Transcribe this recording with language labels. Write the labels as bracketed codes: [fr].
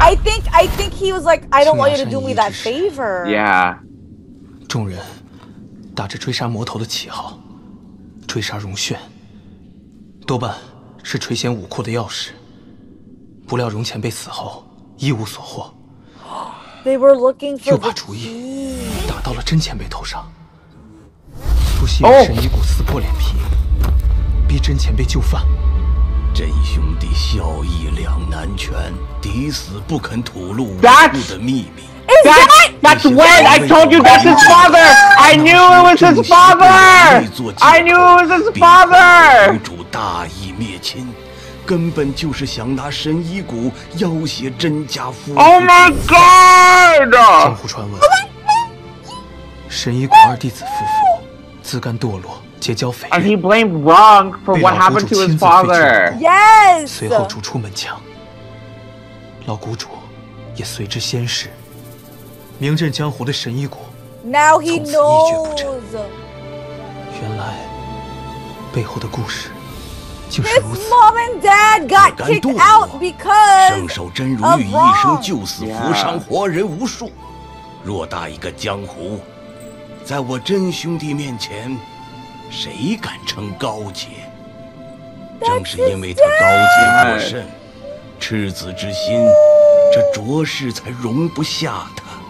[en] I think he was like, I don't want you to do me that favor. Yeah. [zh] 众人打着追杀魔头的旗号追杀荣炫，多半是垂涎武库的钥匙，不料荣前辈死后一无所获。 [en] They were looking for [zh] 又把主意打到了真前辈头上，不惜与神医谷撕破脸皮，逼真前辈就范。真兄弟孝义两难全，抵死不肯吐露库的秘密。 [en] That's when I told you that's his father. I knew it was his father. Who [zh] 主大义灭亲，根本就是想拿神医谷要挟甄家夫妇。 [en] Oh my god！ [zh] 江湖传闻，神医谷二弟子夫妇自甘堕落。 [en] And he blamed Rung for what happened to his father. Yes. [zh] 随后逐出门墙，老谷主也随之仙逝。名震江湖的神医谷， [en] now he knows. [zh] 原来背后的故事竟是如此。 [en] His mom and dad got kicked out because. [zh] 圣手真如玉一生救死扶伤，活人无数。偌大一个江湖，在我真兄弟面前。谁敢称高洁？正是因为他高洁过甚，赤子之心，这卓氏才容不下他。